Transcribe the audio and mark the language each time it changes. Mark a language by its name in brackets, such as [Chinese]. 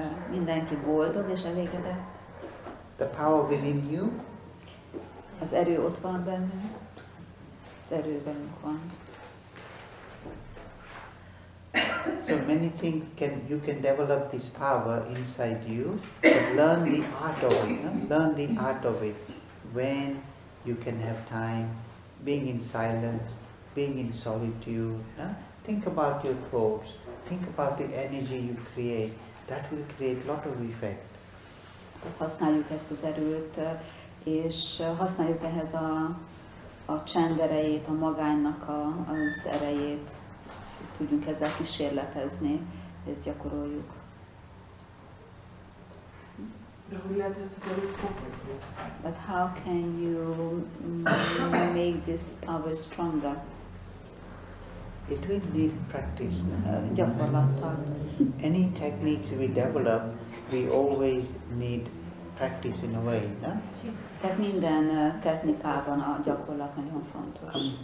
[Hungarian] Mindenki boldog és elégedett. [English] The power within you. [Hungarian] Az erő ott van bennünk, az erő bennünk van. [English] So many things you can develop this power inside you, but learn the art of it, no? Learn the art of it. When you can have time, being in silence, being in solitude, no? Think about your thoughts, think about the energy you create, that will create a lot of effect. [Hungarian] Használjuk ezt az erőt, és használjuk ehhez a csend erejét, a magánynak az erejét, tudjunk ezzel kísérletezni, ezt gyakoroljuk. De hogy lehet ezt az erőt fokozni? [English] But how can you make this power stronger? It will need practice. [Hungarian] Gyakorlattal. [English] Any techniques we develop, we always need practice in a way, no? [Hungarian] Tehát minden technikában a gyakorlat nagyon fontos.